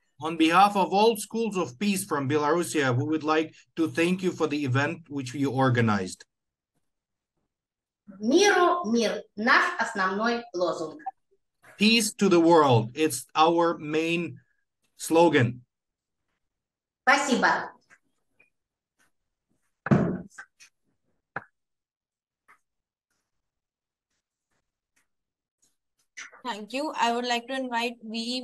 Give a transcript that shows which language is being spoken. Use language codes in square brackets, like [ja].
[en] On behalf of all schools of peace from Belarus, we would like to thank you for the event which you organized. [ru] Миру мир – наш основной лозунг. [en] Peace to the world – it's our main slogan. [ru] Спасибо. [en] Thank you. I would like to invite V.